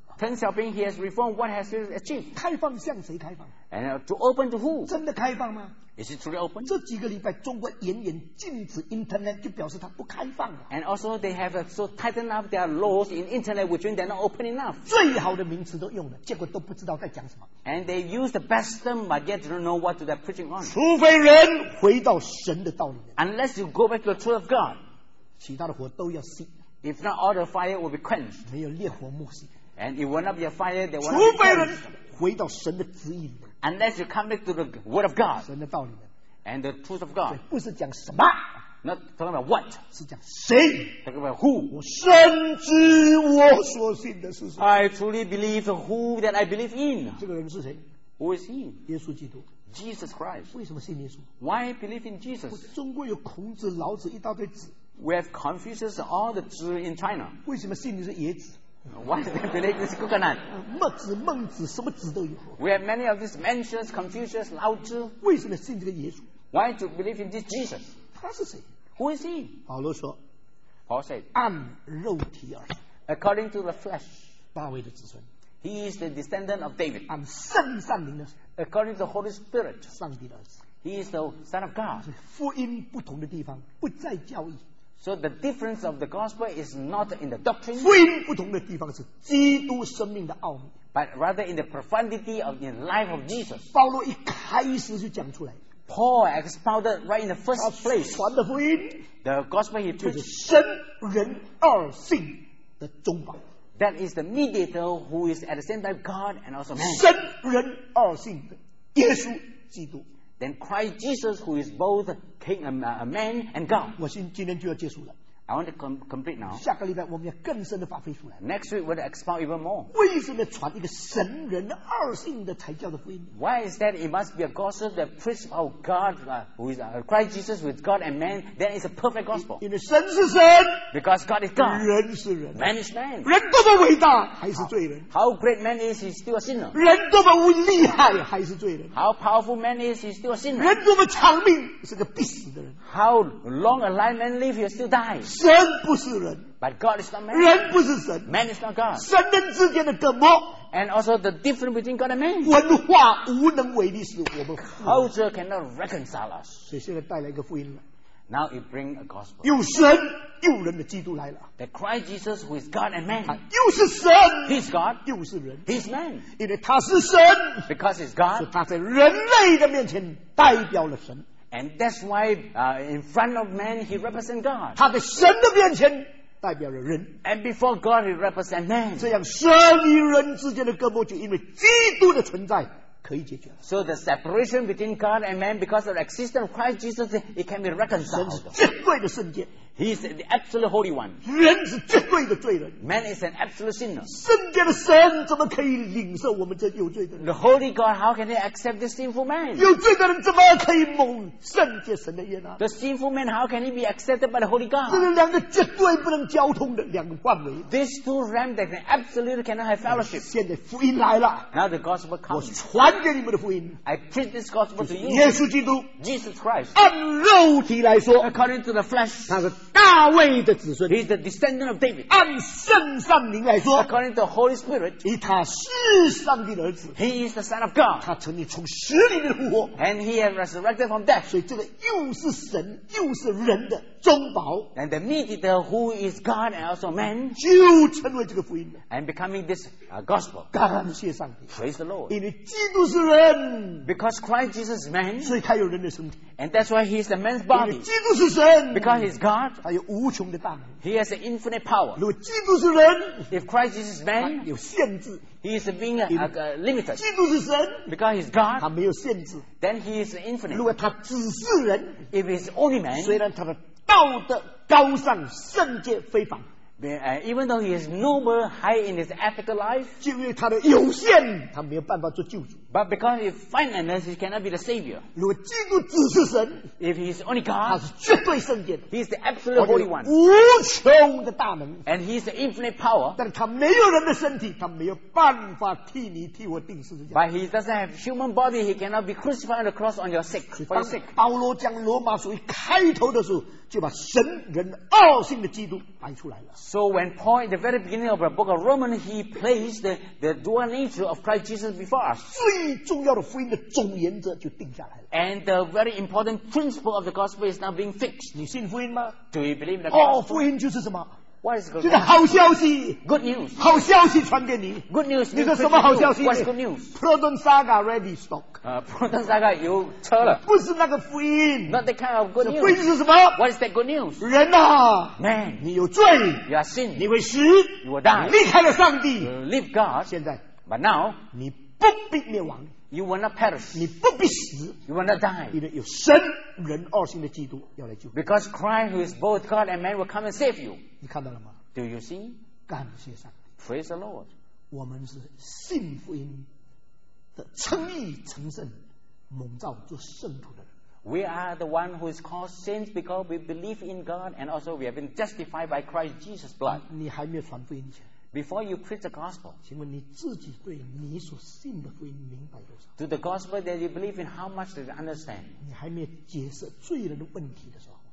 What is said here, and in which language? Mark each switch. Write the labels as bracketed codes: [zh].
[en] Deng Xiaoping, he has reformed, what has he achieved? [zh] 开放向谁开放? [en] And to open to who? [zh] 真的开放吗? [en] Is it truly open? [zh] 这几个礼拜中国严严禁止internet 就表示它不开放了 [en] And also they have so tightened up their laws in internet which means they're not open enough [zh] 最好的名词都用了 结果都不知道在讲什么 [en] And they use the best term but yet they don't know what they're preaching on [zh] 除非人回到神的道理 [en] Unless you go back to the truth of God [zh] 其他的火都要熄 [en] If not all the fire will be quenched [zh] 没有烈火末世 [en] And it will not be a fire that will not be quenched. [zh] 除非人回到神的旨意里面 [en] Unless you come back to the word of God [zh] 神的道理的, [en] and the truth of God [zh] 对, 不是讲什么, [en] not talking about what [zh] 是讲谁, [en] talking about who [zh] 我深知我所信的是谁, [en] I truly believe who that I believe in [zh] 这个人是谁? [en] Who is he? [zh] 耶稣基督, [en] Jesus Christ [zh] 为什么信耶稣? [en] Why believe in Jesus? [zh] 中国有孔子老子一大堆子, [en] we have Confucius and all the 子 in China [zh] 为什么信你是野子? [en] Why do they believe this coconut? [zh] 墨子、孟子，什么子都有。 [en] We have many of these Mencius, Confucius, Lao Tzu. [zh] 为什么信这个耶稣? [en] Why do you believe in this Jesus? [zh] 他是谁? [en] Who is he? [zh] 保罗说, [en] Paul said, [zh] 按肉体而, [en] according to the flesh, [zh] 大卫的子孙, [en] he is the descendant of David. [zh] 按圣善灵的, [en] according to the Holy Spirit, [zh] 上帝的子, [en] he is the Son of God. [zh] 福音不同的地方, 不再教义。 [en] So the difference of the gospel is not in the doctrine. [zh] 福音不同的地方是基督生命的奥秘, [en] but rather in the profundity of the life of Jesus. [zh] 保罗一开始就讲出来, [en] Paul expounded right in the first place. [zh] 传的福音, [en] the gospel he preached. [zh] 神人二性的中保. [en] That is the mediator who is at the same time God and also man. [zh] 神人二性的耶稣基督. [en] Then Christ Jesus, who is both King and man and God. [zh] 我今天就要结束了。 [en] I want to complete now. [zh] 下个礼拜我们要更深的发挥出来。 [en] Next week we'll expound even more. [zh] 为什么传一个神人二性的才叫的福音？ [en] Why is that? It must be a gospel that preached about God, who is Christ Jesus with God and man. That is a perfect gospel. [zh] 因为神是神。 [en] Because God is God. [zh] 人是人。 [en] Man is man. [zh] 人多么伟大，还是罪人。 [en] How great man is, he's still a sinner. [zh] 人多么厉害，还是罪人。 [en] How powerful man is, he's still a sinner. [zh] 人多么长命，是个必死的人。 [en] How long a life man live, he'll still die. [zh] 神不是人 [en] but God is not man. [zh] 人不是神 [en] man is not God. [zh] 神人之间的隔膜 [en] and also the difference between God and man. [zh] 文化无能为力使我们 [en] culture cannot reconcile us. [zh] 所以现在带来一个福音了 [en] now it bring a gospel. [zh] 有神又人的基督来了 [en] that Christ Jesus who is God and man. [zh] 又是神 [en] he's God. [zh] 又是人 [en] he's man. [zh] 因为他是神 [en] because he's God. [zh] 所以他在人类的面前代表了神 [en] And that's why, in front of man, he represents God. [zh] 他在神的面前代表了人。 [en] And before God, he represents man. [zh] 这样神与人之间的隔膜就因为基督的存在可以解决了。 [en] So the separation between God and man because of the existence of Christ Jesus, it can be reconciled. [zh] 神是绝对的圣洁。 [en] He is the absolute holy one. [zh] 人是绝对的罪人。 [en] Man is an absolute sinner. [zh] 圣洁的神怎么可以领受我们这有罪的人？ [en] The holy God, how can he accept this sinful man? [zh] 有罪的人怎么可以蒙圣洁神的悦纳？ [en] The sinful man, how can he be accepted by the holy God? [zh] 这是两个绝对不能交通的两个范围。 [en] These two realms that absolutely cannot have fellowship. [zh] 现在福音来了。 [en] Now the gospel comes. [zh] 我传给你们的福音。 [en] I preach this gospel to you. [zh] 耶稣基督。 [en] Jesus Christ. [zh] 按肉体来说。 [en] According to the flesh. [zh] 那个大卫的子孙 [en] He is the descendant of David. [zh] 按圣上灵来说 [en] According to the Holy Spirit. [zh] 以他是上帝的儿子 [en] He is the son of God. [zh] 他曾经从死里面复活 [en] And he has resurrected from death. [zh] 所以这个又是神又是人的中保 [en] And the mediator who is God and also man. [zh] 就成为这个福音 [en] And becoming this gospel. [zh] 感谢上帝 [en] Praise the Lord. [zh] 因为基督是人 [en] Because Christ Jesus is man. [zh] 所以他有人的身体 [en] And that's why he is the man's body. [zh] 因为基督是神 [en] Because he is God. [zh] 他有无穷的大能。 [en] He has an infinite power. [zh] 如果基督是人 [en] ，If Christ is man， [zh] 他有限制。 [en] He is being limited. [zh] 基督是神 [en] ，Because he is God， [zh] 他没有限制。 [en] Then he is infinite. [zh] 如果他只是人 [en] ，If he is only man， [zh] 虽然他的道德高尚、圣洁非凡。 [en] Even though he is noble, high in his ethical life, [zh] 就因为他的有限，他没有办法做救主。 [en] But because of his finiteness, he cannot be the savior. [zh] 如果基督只是神 [en] ，if he is only God, [zh] 他是绝对圣洁的。 [en] He is the absolute holy one. [zh] 无穷的大能 [en] ，and he is the infinite power. [zh] 但是他没有人的身体，他没有办法替你替我钉十字架。 [en] But he doesn't have human body. He cannot be crucified on the cross on your sake. For your sake. [zh] 保罗将罗马书一开头的时候，就把神人二性的基督摆出来了。 [en] So when Paul in the very beginning of the book of Romans, he placed the dual nature of Christ Jesus before us. [zh] 最重要的福音的总原则就定下来了。 [en] And the very important principle of the gospel is now being fixed. [zh] 你信福音吗？ [en] Do you believe in the gospel? [zh] 哦，福音就是什么？ [en] What is the gospel? [zh] 就是好消息。 [en] Good news. [zh] 好消息传给你。 [en] Good news. [zh] 你说什么好消息？ [en] What's good news? Proton Saga ready stock. [zh] Proton Saga 有车了。不是那个福音。 [en] Not that kind of good news. [zh] 福音是什么？ [en] What is that good news? [zh] 人啊。 [en] Man. [zh] 你有罪。 [en] You are sin. [zh] 你会死。 [en] You will die. [zh] 离开了上帝。 [en] Leave God. [zh] 现在。 [en] But now. [zh] 你不必灭亡。 [en] You will not perish. [zh] 你不必死。 [en] You will not die. [zh] 因为有神人二性的基督要来救。 [en] Because Christ who is both God and man will come and save you. [zh] 你看到了吗 [en] ？Do you see？ [zh] 感谢上帝 [en] ，Praise the Lord。 [zh] 我们是信福音的称义成圣蒙召做圣徒的人。 [en] We are the one who is called saints because we believe in God and also we have been justified by Christ Jesus' blood。 [zh] 你还没有传福音前 [en] ，Before you preach the gospel， [zh] 请问你自己对你所信的福音明白多少 [en] ？Do the gospel that you believe in how much do you understand？ [zh] 你还没有解释罪人的问题的时候。